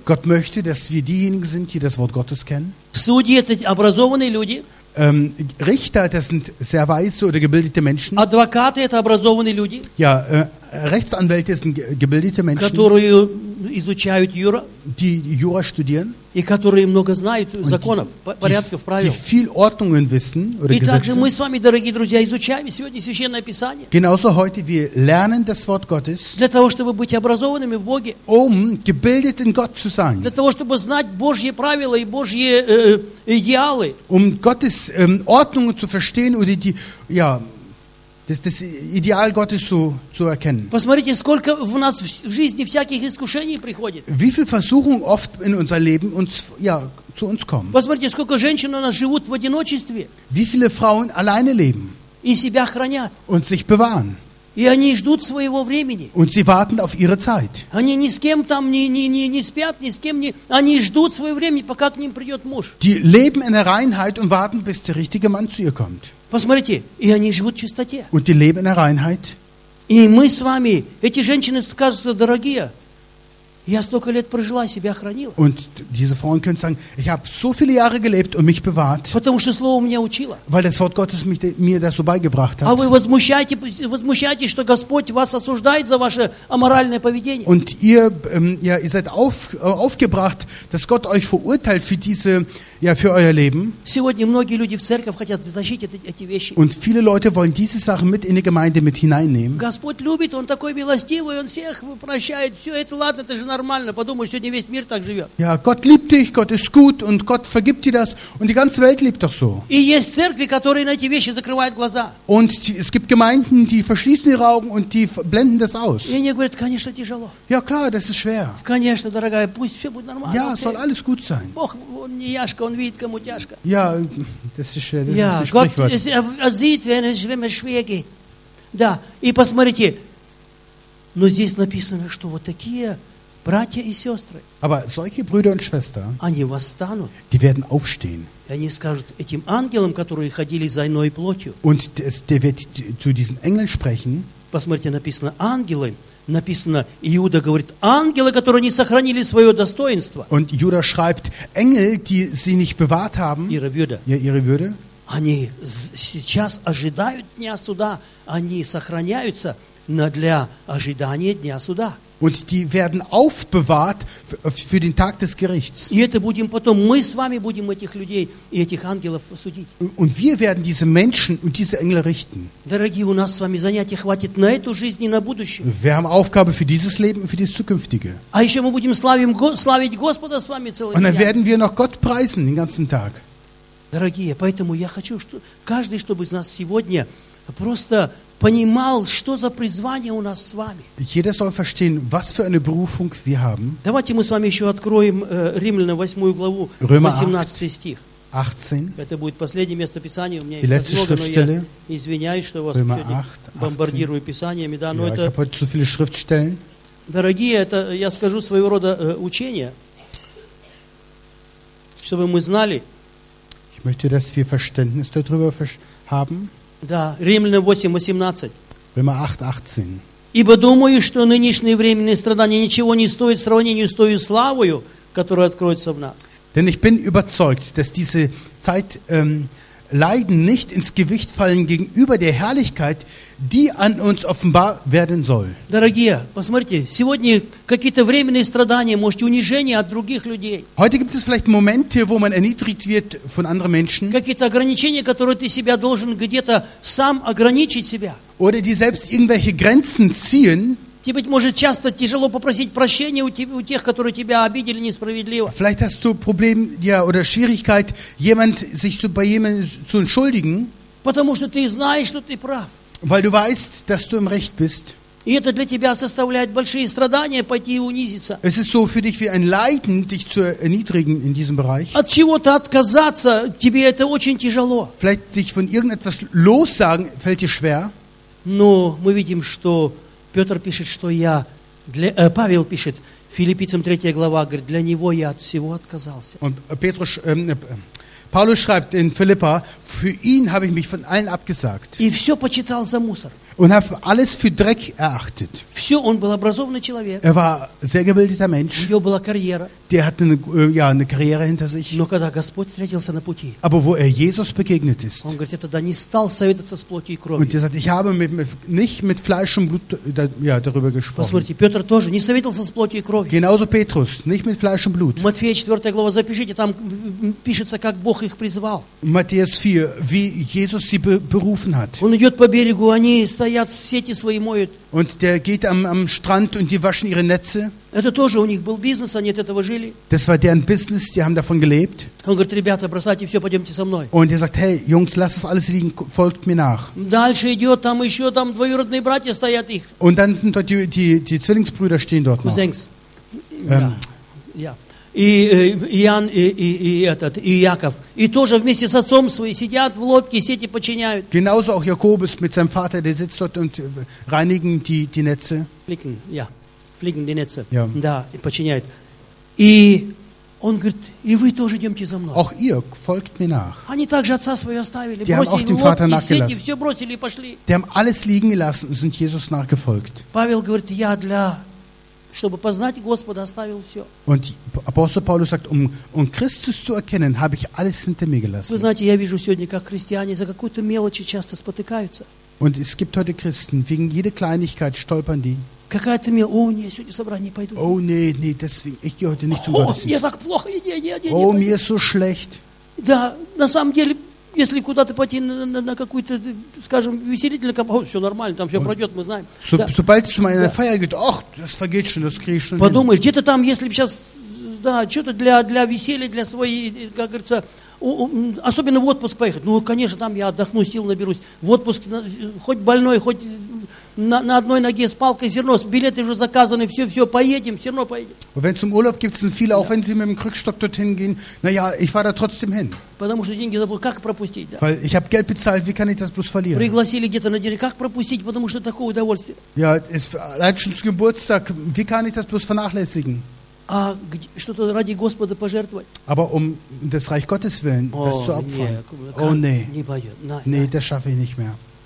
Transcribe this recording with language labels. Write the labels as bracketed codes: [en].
[de] Gott möchte, dass wir diejenigen sind, die das Wort Gottes kennen. [ru] Судьи, это образованные люди. [de] Richter, das sind sehr weise oder gebildete Menschen. [ru] Адвокаты, это образованные люди. [de] Ja, Rechtsanwälte sind gebildete Menschen, [ru] которые изучают юра, [de] die Jura studieren, [ru] и которые много знают законов, порядков, правил, [de] die viel Ordnungen wissen oder Gesetze. [ru] И также мы с вами, дорогие друзья, изучаем сегодня Священное Писание. [de] Genauso heute wir lernen das Wort Gottes. [ru] Для того, чтобы быть образованными в Боге. [de] Um gebildet in Gott zu sein. [ru] Для того, чтобы знать Божьи правила и Божьи идеалы. [de] Um Gottes Ordnungen zu verstehen oder die, ja, das Ideal Gottes zu erkennen. [ru] Посмотрите, сколько в нас в жизни всяких искушений приходит. [de] Wie viel Versuchung oft in unser Leben uns, ja, zu uns kommen. [ru] Посмотрите, сколько женщин у нас живут в одиночестве. [de] Wie viele Frauen alleine leben. [ru] И себя хранят. [de] Und sich bewahren. [ru] И они ждут своего времени. [de] Und sie warten auf ihre Zeit. [ru] Они ни с кем там не спят, ни с кем не... Они ждут своего времени, пока к ним придет муж. [de] Die leben in der Reinheit und warten, bis der richtige Mann zu ihr kommt. [ru] Посмотрите, и они живут в чистоте. [de] Und die leben in der Reinheit. [ru] И мы с вами, эти женщины, скажут, дорогие, Я столько лет прожила, себя хранила. [de] Und diese Frauen können sagen, ich habe so viele Jahre gelebt und mich bewahrt. [ru] Потому что слово меня учило. [de] Weil das Wort Gottes mir das so beigebracht hat. [ru] А вы возмущаетесь, что Господь вас осуждает за ваше аморальное поведение? [de] Und ihr, ja, ihr seid aufgebracht, dass Gott euch verurteilt für diese, ja, für euer Leben. [ru] Сегодня многие люди в церковь хотят затащить эти вещи. [de] Und viele Leute wollen diese Sachen mit in die Gemeinde mit hineinnehmen. [ru] Господь любит, он такой милостивый, он всех прощает, все это ладно. Это же нормально. Подумай, сегодня весь мир так живет. [de] Ja, Gott liebt dich, Gott ist gut und Gott vergibt dir das und die ganze Welt liebt doch so. [ru] И есть церкви, которые на эти вещи закрывают глаза. [de] Und es gibt Gemeinden, die verschließen ihre Augen und die blenden das aus. [ru] И они говорят, конечно, тяжело. [de] Ja, klar, das ist schwer. [ru] Конечно, дорогая, пусть все будет нормально. [de] Ja, okay. Soll alles gut sein. [ru] Бог, он не яшка, он видит, кому тяжко. [de] Ja, das ist schwer, das ja, ist ein Sprichwort. Gott sieht, wenn es schwer geht. [ru] Да, и посмотрите, но здесь написано, что вот такие братья и сестры. [de] Aber solche Brüder und Schwestern, [ru] они восстанут. [de] Die werden aufstehen. [ru] И они скажут этим ангелам, которые ходили за иной плотью. [de] Und der wird zu diesen Engeln sprechen. [ru] Посмотрите, написано ангелы. Написано, Иуда говорит, ангелы, которые не сохранили свое достоинство. [de] Und Judas schreibt, Engel, die sie nicht bewahrt haben. Ihre Würde. Ja, ihre Würde. [ru] Они сейчас ожидают дня суда. Они сохраняются на для ожидания дня суда. [de] Und die werden aufbewahrt für den Tag des Gerichts. [ru] И это будем потом. Мы с вами будем этих людей и этих ангелов судить. [de] Und wir werden diese Menschen und diese Engel richten. [ru] Дорогие, у нас с вами занятий хватит на эту жизнь и на будущее. [de] Wir haben Aufgabe für dieses Leben und für das zukünftige. [ru] А еще мы будем славить Господа с вами целый день. [de] Und dann werden wir noch Gott preisen den ganzen Tag. [ru] Дорогие, поэтому я хочу, что каждый, чтобы из нас сегодня просто понимал, что за призвание у нас с вами. [de] Jeder soll verstehen, was für eine Berufung wir haben. [ru] Давайте мы с вами еще откроем Римлянам 8 главу, 18 стих. [de] 18. [ru] Это будет последнее место Писания у меня. [de] Die letzte Schriftstelle. [ru] Извиняюсь, что вас сегодня бомбардирую Писаниями. Да, но [de] ja, [ru] это... [de] Ich habe heute zu viele Schriftstellen. [ru] Дорогие, это я скажу своего рода учение, чтобы мы знали. [de] Ich möchte, dass wir Verständnis darüber haben. [ru] Да, Римлянам 8:18. [de] Römer 8:18. [ru] Ибо думаю, что нынешние временные страдания ничего не стоят в сравнении с той славою, которая откроется в нас. [de] Denn ich bin überzeugt, dass diese Zeit Leiden nicht ins Gewicht fallen gegenüber der Herrlichkeit, die an uns offenbar werden soll. [ru] Дорогие, посмотрите, сегодня какие-то временные страдания, может, унижение от других людей. [de] Heute gibt es vielleicht Momente, wo man erniedrigt wird von anderen Menschen. [ru] Какие-то ограничения, которые ты себя должен где-то сам ограничить себя. [de] Oder die selbst irgendwelche Grenzen ziehen. [ru] Тебе может часто тяжело попросить прощения у тех, которые тебя обидели несправедливо. [de] Vielleicht hast du Problem, ja, oder Schwierigkeit, jemand sich zu bei jemandem zu entschuldigen. [ru] Потому что ты знаешь, что ты прав. [de] Weil du weißt, dass du im Recht bist. [ru] И это для тебя составляет большие страдания пойти и унизиться. [de] Es ist so für dich wie ein Leiden, dich zu erniedrigen in diesem Bereich. [ru] От чего-то отказаться тебе это очень тяжело. [de] Vielleicht sich von irgendetwas lossagen fällt dir schwer. [ru] Но мы видим, что Петр пишет, что я для, Павел пишет, Филиппийцам 3 глава, говорит, для него я от всего отказался. [de] Und Petrus, Paulus schreibt in Philippa, für ihn habe ich mich von allen abgesagt. [ru] И все почитал за мусор. [de] Und habe alles für Dreck erachtet. [ru] Все, он был образованный человек. [de] Er war sehr gebildeter Mensch. [ru] У него была карьера. [de] Der hatte eine, ja, eine Karriere hinter sich. [ru] Но когда Господь встретился на пути. [de] Aber wo er Jesus begegnet ist. [ru] Он говорит, я тогда не стал советоваться с плотью и кровью. [de] Und er sagt, ich habe nicht mit Fleisch und Blut da, ja, darüber gesprochen. [ru] Посмотрите, Петр тоже не советовался с плотью и кровью. [de] Genauso Petrus, nicht mit Fleisch und Blut. [ru] Матфея 4 глава запишите, там пишется, как Бог их призвал. [de] Matthäus 4, wie Jesus sie berufen hat. [ru] Он идет по берегу, они стоят, сети свои моют. [de] Und der geht am Strand und die waschen ihre Netze. [ru] Это тоже у них был бизнес, они от этого жили. [de] Das war deren Business, die haben davon gelebt. [ru] Он говорит, ребята, бросайте все, пойдемте со мной. [de] Und er sagt, hey, Jungs, lass es alles liegen, folgt mir nach. [ru] Дальше идет, там еще там двоюродные братья стоят их. [de] Und dann sind dort die Zwillingsbrüder stehen dort Cousins. Noch. Ja. [ru] И Иоанн и этот и Яков и тоже вместе с отцом своим сидят в лодке сети починяют. [de] Genauso auch Jakobus mit seinem Vater, der sitzt dort und reinigen die Netze. Flicken, ja, flicken die Netze. Ja. [ru] Да, и починяют. И он говорит, и вы тоже идемте за мной. [de] Auch ihr folgt mir nach. [ru] Они также отца своего оставили, бросили лодки, сети, все бросили и пошли. [de] Die haben alles liegen gelassen und sind Jesus nachgefolgt. [ru] Павел говорит, я для чтобы познать Господа, оставил все. [de] Und Apostel Paulus sagt, um Christus zu erkennen, habe ich alles hinter mir gelassen. [ru] Вы знаете, я вижу сегодня, как христиане за какую-то мелочи часто спотыкаются. [de] Und es gibt heute Christen, wegen jeder Kleinigkeit stolpern die. [ru] Какая-то мелочь. [de] Oh, nee, [ru] сегодня в собрание не пойду. [de] Oh, nee, nee, deswegen. Ich gehe heute nicht zum Gottesdienst. [ru] Мне так плохо. Не, [de] oh, [ru] мне [de] so schlecht. [ru] Да, на самом деле, если куда-то пойти на какую-то, скажем, веселительную компанию, все нормально, там все пройдет, мы знаем. Sobald ich zu meiner Feier gehe, ach, das vergeht schon, das kriege ich schon. Подумаешь, где-то там, если бы сейчас, да, что-то для веселья, для своей, как говорится, особенно в отпуск поехать. Ну, конечно, там я отдохну, сил наберусь. В отпуск, хоть больной, хоть на одной ноге с палкой зерно, билеты уже заказаны, все, поедем, все равно поедем. [de] Wenn zum Urlaub gibt es ein viele, auch wenn sie mit dem Krückstock dorthin gehen, naja, ich fahre da trotzdem hin. [ru] Потому что деньги забыл, как пропустить, да? [de] Weil ich habe Geld bezahlt, wie kann ich das bloß verlieren? [ru] Пригласили где-то на день, как пропустить, потому что такое удовольствие. [de] Ja, es ist schon zum Geburtstag, wie kann ich das bloß vernachlässigen? [ru] А что-то ради Господа пожертвовать? [de] Aber um des Reich Gottes willen, das zu opfern. Nee, das schaffe ich nicht mehr.